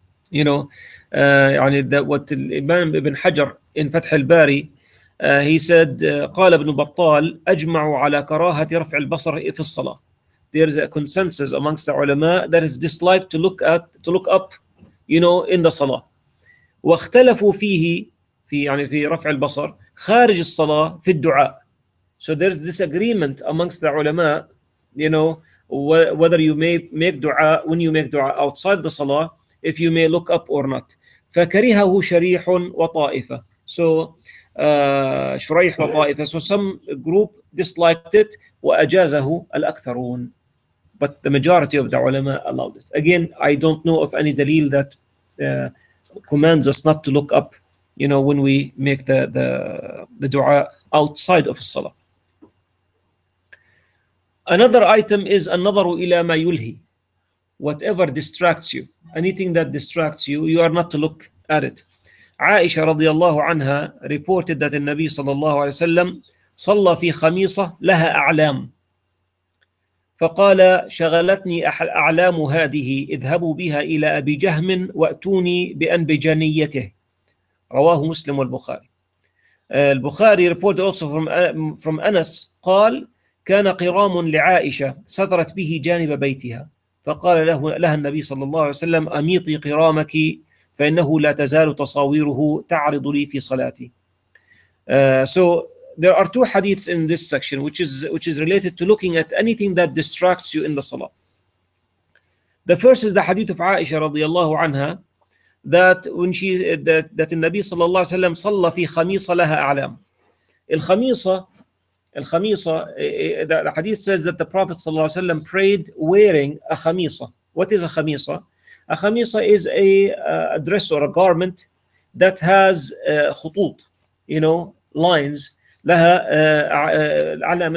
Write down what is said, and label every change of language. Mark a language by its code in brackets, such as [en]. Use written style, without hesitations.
[en] You know, [ar] يعني [en] that what Imam Ibn Hajar in Fath al-Bari, he said, [ar] قال ابن بطال أجمع على كراهة رفع البصر في الصلاة. [en] There is a consensus amongst the ulama that is disliked to look up, you know, in the salah. [ar] واختلفوا فيه في يعني في رفع البصر خارج الصلاة في الدعاء. [en] So there's disagreement amongst the ulama, you know, whether you may make dua when you make dua outside the salah, if you may look up or not. [ar] فكرهه شريح وطائفة. So شريح وطائفة. [en] So some group disliked it [ar] وأجازه الأكثرون. [en] But the majority of the ulama allowed it. Again, I don't know of any dalil that commands us not to look up, you know, when we make the dua outside of salah. Another item is an-nadharu ila ma yulhi, whatever distracts you, anything that distracts you, you are not to look at it. Aisha radiyallahu anha reported that the Nabi sallallahu alayhi wa sallam [ar] salla fi khamisa laha a'lam. Faqala shaghalatni a'lamu hadihi idhhabu biha ila Abi Jahm wa'tuni bi'anbijaniyatihi. رواه مسلم والبخاري. البخاري [en] report also from [ar] Anas قال كان قرام لعائشة سترت به جانب بيتها فقال لها النبي صلى الله عليه وسلم أميطي قرامك فإنه لا تزال تصاويره تعرض لي في صلاتي. [en] So there are two hadiths in this section which is related to looking at anything that distracts you in the salah. The first is the hadith of [ar] عائشة رضي الله عنها [en] that [ar] النبي صلى الله عليه وسلم صلى في خميصة لها أعلام. [en] الخميصة, the hadith says that the Prophet صلى الله عليه وسلم prayed wearing a خميصة. What is a خميصة? A خميصة is a dress or a garment that has خطوط, you know, lines, [ar] لها أعلام.